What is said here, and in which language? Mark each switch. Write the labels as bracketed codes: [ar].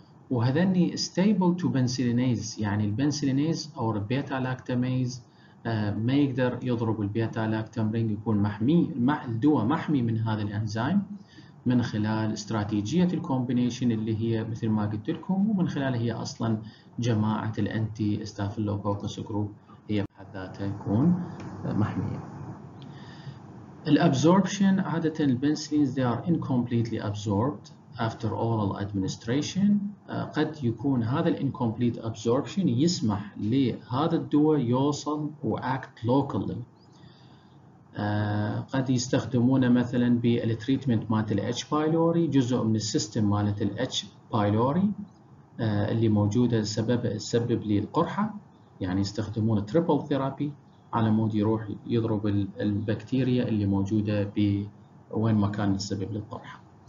[ar] وهذني [en] stable to [ar] بنسلينيز يعني البنسلينيز أو البيتا لاكتاميز ما يقدر يضرب البيتا لاكتام رينج، يكون محمي الدواء محمي من هذا الانزيم من خلال استراتيجيه الكومبينيشن اللي هي مثل ما قلت لكم، ومن خلال هي اصلا جماعه الانتي ستافيلوكوكس جروب هي بحد ذاتها يكون محميه. الابزوربشن عاده البنسلينز [en] they are incompletely absorbed after oral administration. [ar] قد يكون هذا الـ [en] incomplete absorption [ar] يسمح لهذا الدواء يوصل و [en] act locally. [ar] قد يستخدمونه مثلا بالـ treatment مالت الـ H. pylori، جزء من السيستم مالت الـ H. pylori اللي موجودة تسبب لي القرحة، يعني يستخدمون [en] triple therapy [ar] على مود يروح يضرب البكتيريا اللي موجودة بوين مكان السبب للقرحة.